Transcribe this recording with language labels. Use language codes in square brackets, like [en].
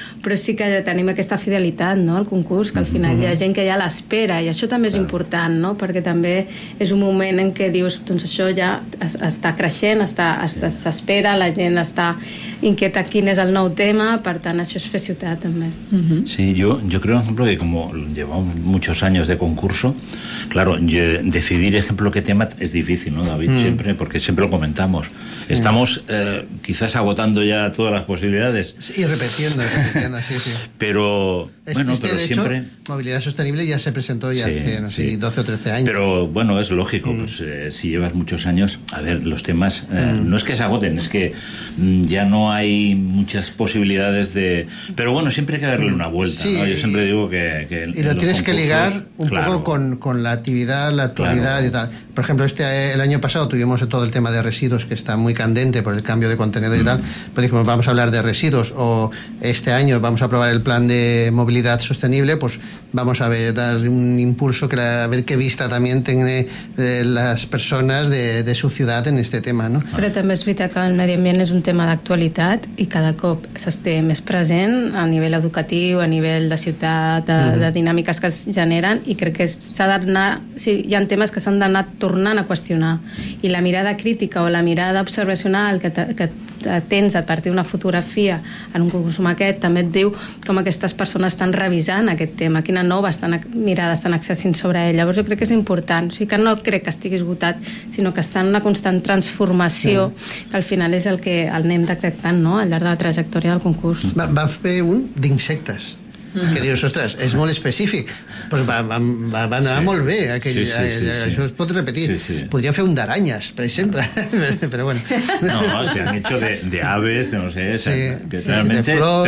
[ca] però sí que ja tenim aquesta fidelitat, no?, al concurs, que al final hi ha gent que ja l'espera, i això també és important, no?, perquè també és un moment en què dius, doncs això ja està creixent, s'espera, la gent està inquieta quin és el nou tema, per tant, això és fer ciutat, també. [es] Sí, yo creo, por ejemplo, que como llevamos muchos años de concurso, claro, decidir, ejemplo, qué tema es difícil, ¿no, David? Siempre, porque siempre lo comentamos. Sí. Estamos quizás agotando ya todas las posibilidades. Sí, repitiendo, sí, sí. Pero, bueno, pero de siempre... Hecho, movilidad sostenible ya se presentó ya hace 12 o 13 años. Pero, bueno, es lógico, pues si llevas muchos años, a ver, los temas no es que se agoten, es que ya no hay muchas posibilidades de... Pero bueno, siempre hay que darle una vuelta, sí, ¿no? Yo siempre digo que... Y lo tienes que ligar un poco con la actividad, la actualidad y tal. Por ejemplo, el año pasado tuvimos todo el tema de residuos, que está muy candente por el cambio de contenedor y tal. Pues dijimos, vamos a hablar de residuos. O este año vamos a aprobar el plan de movilidad sostenible, pues vamos a ver, dar un impulso, a ver qué vista también tienen las personas de su ciudad en este tema, ¿no? Pero también es verdad que el medio ambiente es un tema de actualidad y [ca] cada cop s'esté més present [es] a nivel educativo, a nivel de ciudad, de dinámicas que [ca] es generan, [es] y creo que [ca] s'ha d'anar, sí, hi ha temas que s'han d'anar tornant a qüestionar, i la mirada crítica o la mirada observacional que tens a partir d'una fotografia en un concurs com aquest també et diu com aquestes persones estan revisant aquest tema, quina nova mirada estan accessint sobre ell. Llavors jo crec que és important, o sigui, que no crec que estigui esgotat, sinó que està en una constant transformació, que al final és el que anem detectant, no?, al llarg de la trajectòria del concurs. Va fer un d'insectes. que dius, ostres, és molt específic. Pues va anar sí. molt bé, aquell, sí. això es pot repetir. Sí, sí. Podria fer un d'aranyes, per exemple. Sí. Però bueno. [es] No, o se han hecho de aves, de no sé, sí. Sí, realmente, sí, de flors.